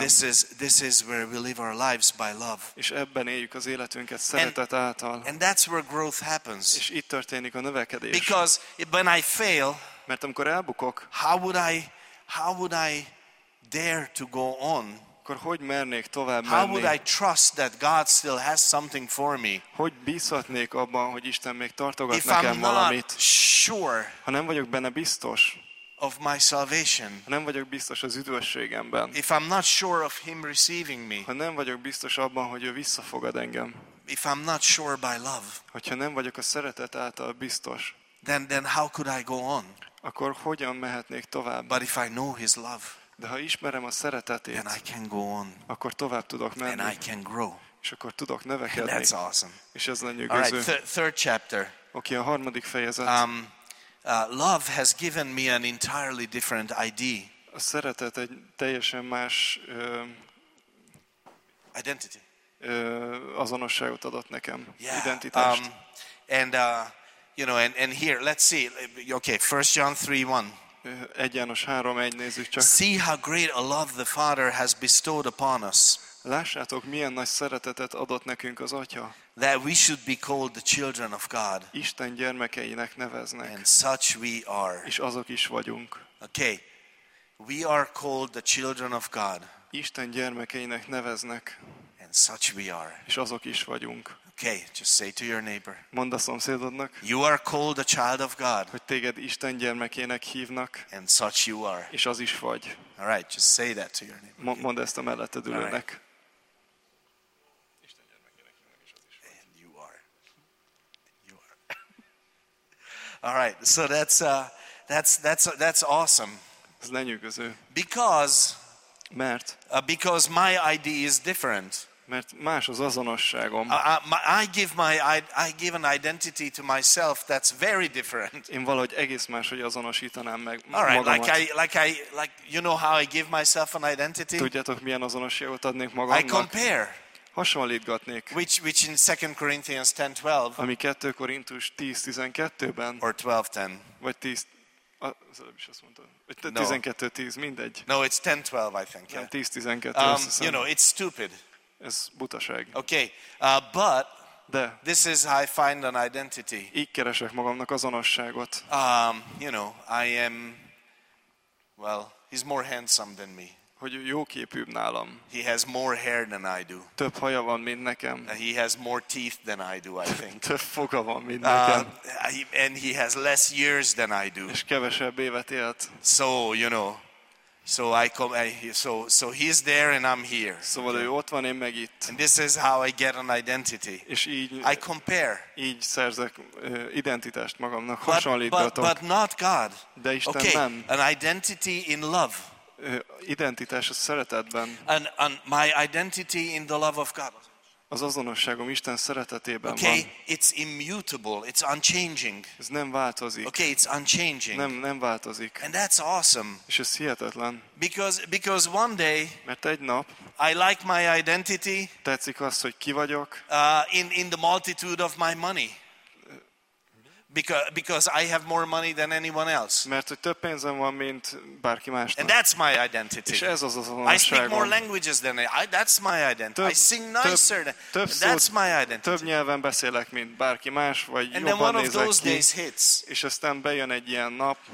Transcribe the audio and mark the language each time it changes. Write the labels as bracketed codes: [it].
[en] This is where we live our lives by love. [hu] És ebben éljük az életünket szeretet által. [en] And that's where growth happens. [hu] És itt történik a növekedés. [en] Because when I fail, [hu] mert amikor elbukok, [en] how would I dare to go on? [hu] Akkor hogy mernék tovább menni? [en] How would I trust that God still has something for me? [hu] Hogy bízhatnék abban, hogy Isten még tartogat [en] if [hu] nekem [en] I'm [hu] valamit? [en] Sure. [hu] Ha nem vagyok benne biztos. [en] of my salvation. [hu] Nem vagyok biztos az üdvösségemben. [en] If I'm not sure of him receiving me. [hu] Ha nem vagyok biztos abban, hogy ő visszafogad engem. [en] If I'm not sure by love. [hu] Hogyha nem vagyok a szeretet által biztos. [en] Then how could I go on? [hu] Akkor hogyan mehetnék tovább? [en] But if I know his love. [hu] De ha ismerem a szeretetét. [en] Then I can go on. [hu] Akkor tovább tudok menni. [en] And I can grow. [hu] És akkor tudok növekedni. [en] That's awesome. [hu] És ez nagyon gyönyörű. [en] All right, third chapter. [hu] Oké, a harmadik fejezet. [en] Love has given me an entirely different idea. [hu] A szeretet egy teljesen más [en] identity. [hu] Azonosságot adott nekem. [en] Yeah. [hu] Identitást. [en] And here, let's see. Okay, 1 John 3:1. [hu] 1 János 3:1, nézzük csak. [en] See how great a love the Father has bestowed upon us. [hu] Lássátok, milyen nagy szeretetet adott nekünk az Atya. [en] That we should be called the children of God. [hu] Isten gyermekeinek neveznek. [en] And such we are. [hu] És azok is vagyunk. [en] Okay. We are called the children of God. [hu] Isten gyermekeinek neveznek. [en] And such we are. [hu] És azok is vagyunk. [en] Okay, just say to your neighbor. [hu] Mondd a szomszédodnak. [en] You are called a child of God. [hu] Hogy téged Isten gyermekének hívnak. [en] And such you are. [hu] És az is vagy. [en] All right, just say that to your neighbor. [hu] Mondd ezt a melletted ülőnek. [en] All right, so that's awesome. [hu] Ez lenyűgöző. [en] Because my ID is different. [hu] Mert más az azonosságom. [en] I give an identity to myself that's very different. [hu] Én valahogy egész máshogy azonosítanám meg magamat. [en] All right, like you know how I give myself an identity? [hu] Tudjátok, milyen azonosságot adnék magamnak? [en] I compare. [hu] Hasonlítgatnék. [en] Which in 2 Corinthians 10:12. [hu] Ami 2 Korintus 10:12-ben. [en] Or 12:10. [hu] Vagy 10. Az előbb is azt mondtam. Vagy 12:10, mindegy. [en] No, it's 10:12, I think. Yeah. 10:12. You know, it's stupid. [hu] Ez butaság. [en] Okay, but [hu] de. [en] This is how I find an identity. [hu] Így keresek magamnak azonosságot. [en] You know, I am. Well, he's more handsome than me. [hu] Hogy jóképűbb nálam. [en] He has more hair than I do. [hu] Több haja van, mint nekem. [en] He has more teeth than I do, I think. [hu] Több foga van, mint nekem. [en] And he has less years than I do. [hu] És kevesebb évet élt. [en] So, you know, so he's there and I'm here. [hu] Szóval ő ott van, én meg itt. [en] And this is how I get an identity. [hu] És így, [en] I compare. [hu] Így szerzek identitást magamnak, hasonlítgatok. [en] But not God. [hu] De Isten [en] okay, [hu] nem. [en] An identity in love. [hu] Identitás a szeretetben. [en] And my identity in the love of God. [hu] Az azonosságom Isten szeretetében van. [en] Okay, it's immutable, it's unchanging. [hu] Ez nem változik. [en] Okay, it's unchanging. [hu] Nem változik. [en] And that's awesome. [hu] És ez hihetetlen. [en] Because one day. [hu] Mert egy nap. [en] I like my identity. [hu] Tetszik azt, hogy ki vagyok. [en] In the multitude of my money. Because I have more money than anyone else. [hu] Mert több pénzem van, mint bárki másnak. [en] And that's my identity. [hu] És ez az azonosságom. [en] I speak more languages than I. That's my identity. [hu] Több, [en] I sing nicer. That's my identity. [hu] Több nyelven beszélek, mint bárki más, vagy [en] and [hu] jobban nézek ki. [en] And then one of those days hits. [hu] És aztán bejön egy ilyen nap.